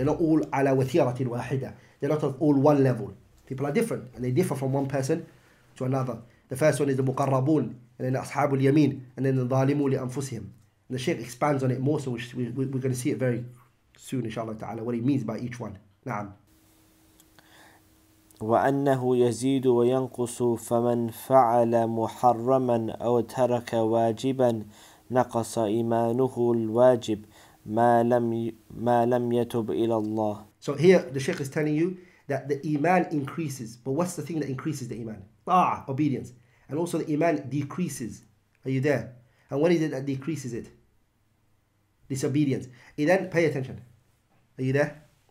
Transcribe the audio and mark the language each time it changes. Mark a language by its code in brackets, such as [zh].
[en] They're not all [ar] ala wathiratin wahida. [en] They're not of all one level. People are different, and they differ from one person to another. The first one is the muqarrabun, and then ashabul yameen, and then the [ar] dhalimu li anfusihim. [en] And the Shaykh expands on it more, so we're going to see it very soon, inshallah ta'ala, what he means by each one. Na'am. [ar] وأنه يزيد وينقص فمن فعل محرما أو ترك واجبا نقص إيمانه الواجب ما لم يتب إلى الله. [en] So here the Sheikh is telling you that the iman increases, but what's the thing that increases the iman? طاعة, obedience, and also the iman decreases. Are you there? And what is it that decreases it? Disobedience. Then pay attention. Are you there?